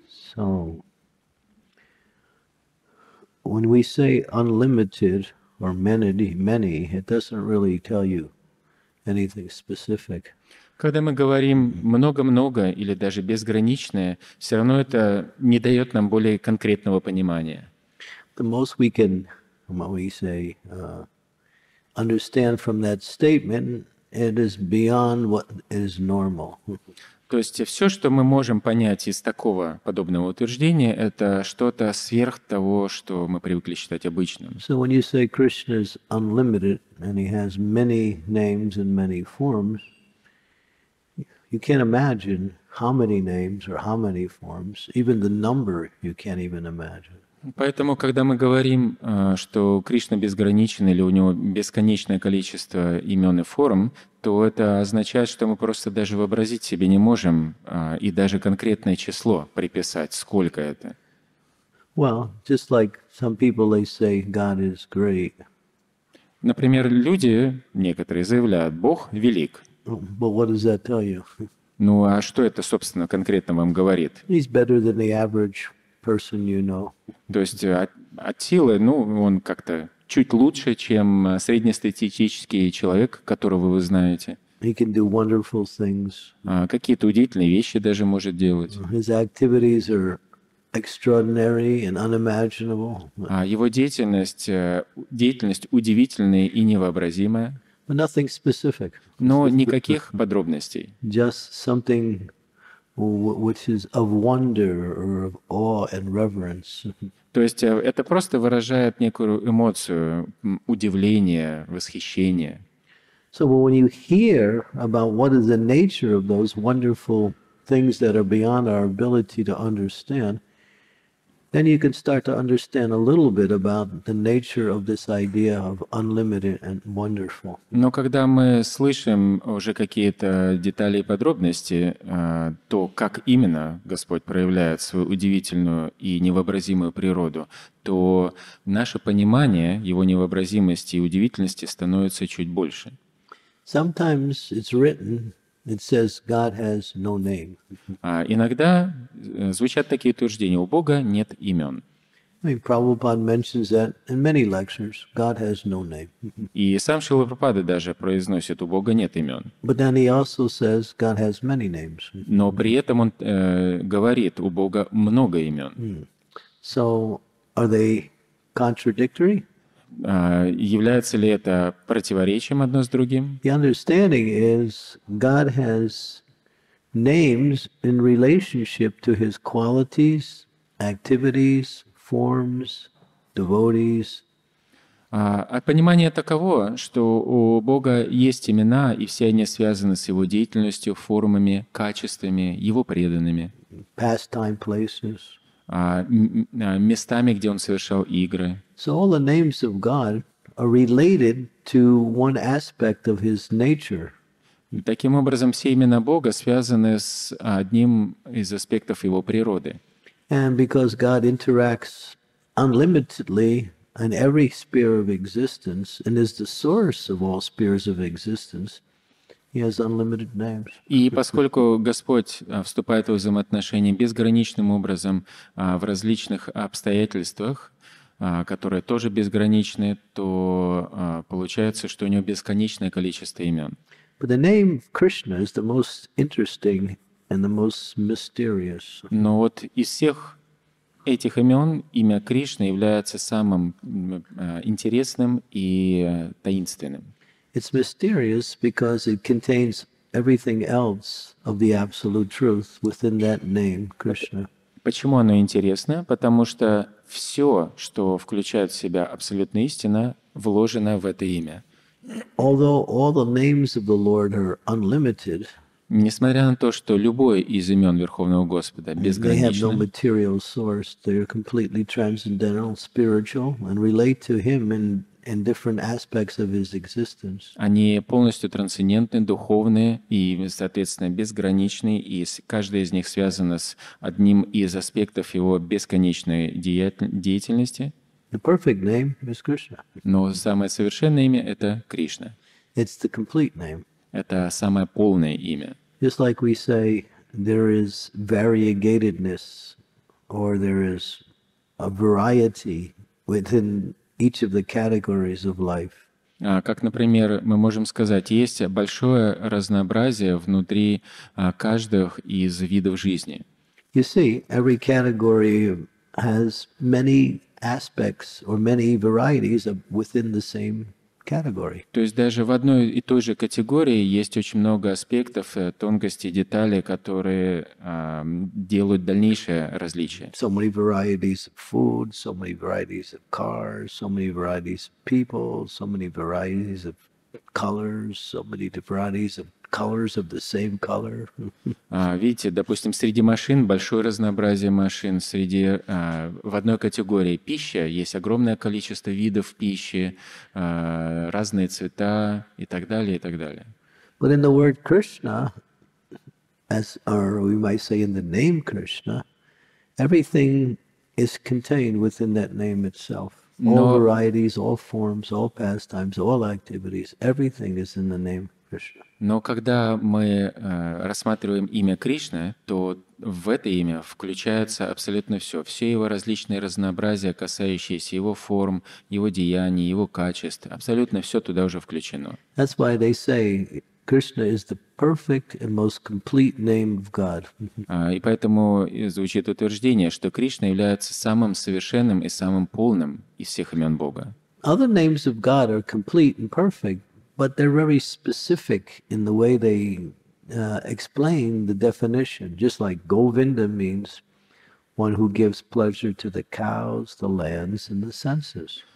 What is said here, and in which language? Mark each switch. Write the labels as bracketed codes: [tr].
[en] So when we say unlimited or many, many, it doesn't really tell you anything specific. [ru] Когда мы говорим много-много или даже безграничное, все равно это не дает нам более конкретного понимания. [en] The most we can, understand from that statement, it is beyond what is normal. [ru] То есть все, что мы можем понять из такого подобного утверждения, это что-то сверх того, что мы привыкли считать обычным. [en] So when you say Krishna is unlimited and he has many names and many forms, you can't imagine how many names or how many forms, even the number you can't even imagine. [ru] Поэтому, когда мы говорим, что Кришна безграничен или у него бесконечное количество имен и форм, то это означает, что мы просто даже вообразить себе не можем и даже конкретное число приписать, сколько это. [en] Well, just like some people, they say God is great. [ru] Например, люди, некоторые заявляют, Бог велик. [en] But what does that tell you? [ru] Ну а что это, собственно, конкретно вам говорит? [en] He's better than the average. [ru] То есть от силы, ну, он как-то чуть лучше, чем среднестатистический человек, которого вы знаете. [en] He can do wonderful things. [ru] Какие-то удивительные вещи даже может делать. [en] His activities are extraordinary and unimaginable. [ru] Его деятельность удивительная и невообразимая. [en] But nothing specific. [ru] Но никаких подробностей. [en] Just something which is of wonder or of awe and reverence. [ru] То есть это просто выражает некую эмоцию удивления, восхищения. [en] So when you hear about what is the nature of those wonderful things that are beyond our ability to understand, then you can start to understand a little bit about the nature of this idea of unlimited and wonderful. [ru] Но когда мы слышим уже какие-то детали и подробности, то как именно Господь проявляет свою удивительную и невообразимую природу, то наше понимание его невообразимости и удивительности становится чуть больше. [en] Sometimes it's written, it says God has no name. [ru] Иногда звучат такие утверждения: у Бога нет имен. [en] I mean, Prabhupada mentions that in many lectures, God has no name. [ru] И сам Шрила Прабхупада даже произносит: у Бога нет имен. [en] But then he also says God has many names. [ru] Но при этом он говорит: у Бога много имен. [en] So are they contradictory? [ru] Является ли это противоречием одно с другим? [en] The understanding is God has names in relationship to his qualities, activities, forms, devotees. [ru] Понимание таково, что у Бога есть имена, и все они связаны с его деятельностью, формами, качествами, его преданными. [en] Pastime places. [ru] Местами, где он совершал игры. [en] So all the names of God are related to one aspect of his nature. [ru] Таким образом, все имена Бога связаны с одним из аспектов его природы. [en] And because God interacts unlimitedly in every sphere of existence and is the source of all spheres of existence, He has unlimited names. [ru] И поскольку Господь вступает в взаимоотношения безграничным образом в различных обстоятельствах, которые тоже безграничны, то получается, что у него бесконечное количество имен. [en] But the name Krishna is the most interesting and the most mysterious. [ru] Но вот из всех этих имен имя Кришна является самым интересным и таинственным. [en] It's mysterious because it contains everything else of the absolute truth within that name, Krishna. [ru] Почему оно интересно? Потому что все, что включает в себя абсолютная истина, вложено в это имя. [en] Although all the names of the Lord are unlimited, [ru] несмотря на то, что любой из имен Верховного Господа безграничен, [en] they have no material source. They are completely transcendental, spiritual, and relate to Him in and different aspects of his existence. [ru] Они полностью трансцендентны, духовные и, соответственно, безграничны, и каждая из них связана с одним из аспектов его бесконечной деятельности. [en] The perfect name is Krishna. [ru] Но самое совершенное имя — это Кришна. [en] It's the complete name. [ru] Это самое полное имя. [en] Just like we say, there is variegatedness, or there is a variety within each of the categories of life. [ru] Как, например, мы можем сказать, есть большое разнообразие внутри каждого из видов жизни. [en] You see, every category has many aspects or many varieties within the same category. [ru] То есть даже в одной и той же категории есть очень много аспектов, тонкостей, деталей, которые делают дальнейшее различие. [en] So many varieties of food, so many varieties of cars, so many varieties of people, so many varieties of colors, so many varieties of colors of the same color. [ru] Видите, допустим, среди машин большое разнообразие машин, среди в одной категории пища есть огромное количество видов пищи, разные цвета и так далее, и так далее. [en] But in the word Krishna, as or we might say in the name Krishna, everything is contained within that name itself. All varieties, all forms, all pastimes, all activities, everything is in the name Krishna. Кришна. [ru] Но когда мы рассматриваем имя Кришны, то в это имя включается абсолютно все. Все его различные разнообразия, касающиеся его форм, его деяний, его качеств, абсолютно все туда уже включено. [en] That's why they say Krishna is the perfect and most complete name of God. [ru] И поэтому звучит утверждение, что Кришна является самым совершенным и самым полным из всех имен Бога. [en] Other names of God are complete and perfect, but they're very specific in the way they explain the definition. Just like Govinda means one who gives pleasure to the cows, the lands, and the senses.